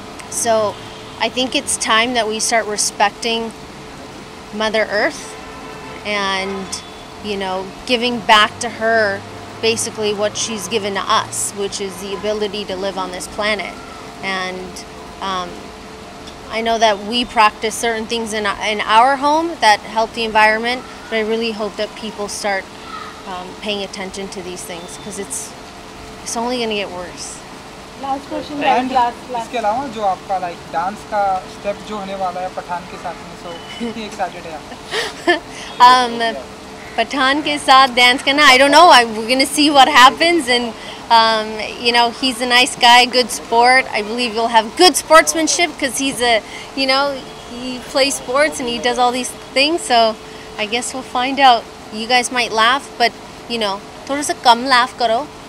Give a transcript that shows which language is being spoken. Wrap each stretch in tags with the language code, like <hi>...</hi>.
<en>So I think it's time that we start respecting Mother Earth and, you know, giving back to her basically what she's given to us, which is the ability to live on this planet. And I know that we practice certain things in our home that help the environment, but I really hope that people start paying attention to these things, because it's only going to get worse. Last question.</en> <hi>And इसके अलावा जो आपका like dance का step जो होने वाला है पठान के साथ में, so कितनी excited है आप? पठान के साथ dance करना,</hi> <en>I don't know. We're gonna see what happens, and he's a nice guy, good sport. I believe you'll have good sportsmanship because he's a, you know, he plays sports and he does all these things. So I guess we'll find out. You guys might laugh, but you know,</en> <hi>थोड़ा सा कम laugh करो.</hi>